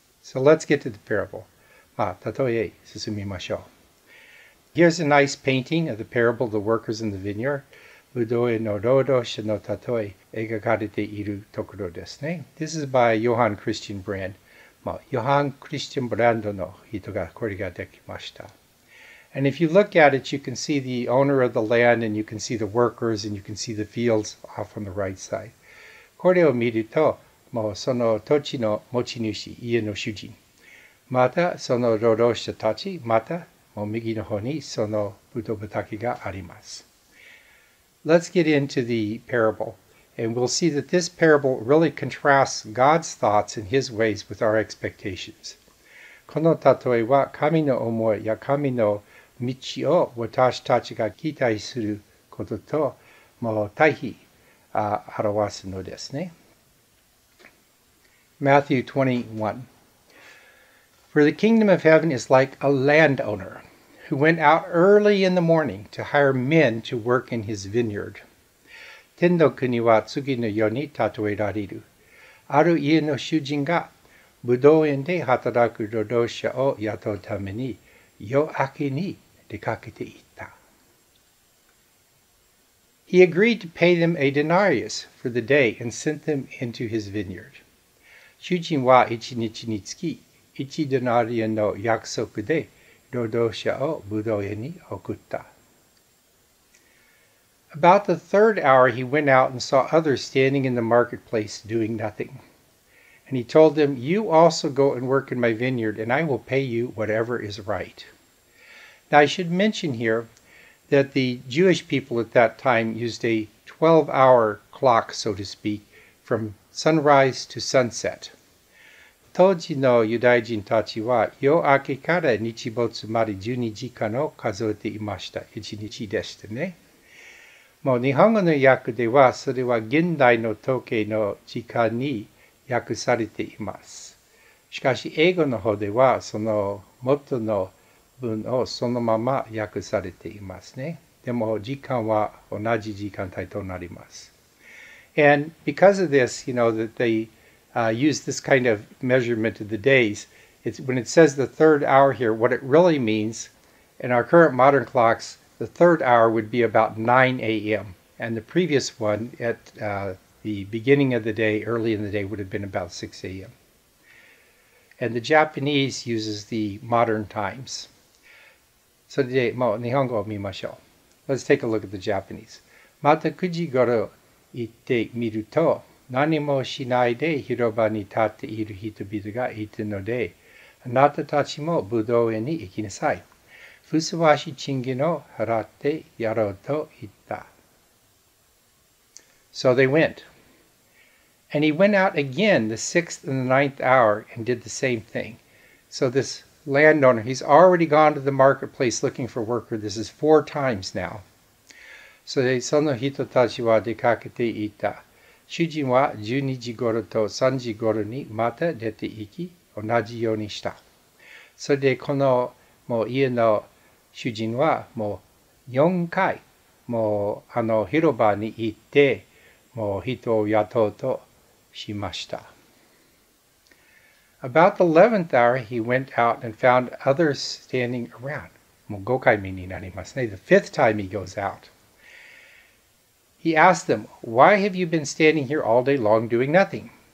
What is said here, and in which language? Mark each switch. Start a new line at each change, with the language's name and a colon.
English: So let's get to the parable.
Japanese: 例え進みましょう。
English: Here's a nice painting of the parable of the workers in the vineyard.
Japanese: ブドウ園の労働者のたとえ描かれているところですね。
English: This is by Johann Christian Brand.
Japanese: Johann Christian Brand の人がこれができました。
English: And if you look at it, you can see the owner of the land, and you can see the workers, and you can see the fields off on the right side.
Japanese: これを見ると、もうその土地の持ち主、家の主人。またその労働者たち、また、もう右の方にそのブドウ畑があります。
English: Let's get into the parable. And we'll see that this parable really contrasts God's thoughts and His ways with our expectations.
Japanese: この例えは神の思いや神の道を私たちが期待することと、もう対比、表すのですね。
English: Matthew 21. For the kingdom of heaven is like a landowner. who went out early in the morning to hire men to work in his vineyard.
Japanese: 天の国は次のように例えられる。ある家の主人がブドウ園で働く労働者を雇うために夜明けに出かけていった。
English: He agreed to pay them a denarius for the day and sent them into his vineyard.
Japanese: 主人は一日につき一デナリアの約束で労働者をブドウ園に送った。
English: About the third hour, he went out and saw others standing in the marketplace doing nothing. And he told them, You also go and work in my vineyard, and I will pay you whatever is right. Now, I should mention here that the Jewish people at that time used a 12-hour clock, so to speak, from sunrise to sunset.
Japanese: 当時のユダヤ人たちは夜明けから日没まで12時間を数えていました。一日でしたね。もう日本語の訳ではそれは現代の時計の時間に訳されています。しかし英語の方ではその元の文をそのまま訳されていますね。でも時間は同じ時間帯となります。
English: And because of this, you know, that they use this kind of measurement of the days, it's, when it says the third hour here, what it really means, in our current modern clocks,The third hour would be about 9 a.m. And the previous one at the beginning of the day, early in the day, would have been about 6 a.m. And the Japanese uses the modern times. So, today,
Japanese: もう日本語を見ましょう。
English: Let's take a look at the Japanese.
Japanese: また9時頃行ってみると、何もしないで広場に立っている人々がいたので、あなたたちもブドウ園に行きなさい。ふすわし賃金を払ってやろうと言った。
English: So they went. And he went out again the sixth and the ninth hour and did the same thing. So this landowner, he's already gone to the marketplace looking for worker. This is four times now.
Japanese: So その人たちは出かけていた。主人は12時頃と3時頃にまた出て行き、同じようにした。それでこのもう家の主人はもう4回もうあの広場に行ってもう人を雇うとしました。
English: About the 11th hour, he went out and found others standing around.
Japanese: もう5回目になりますね。
English: The fifth time he goes out. He asked them, Why have you been standing here all day long doing nothing?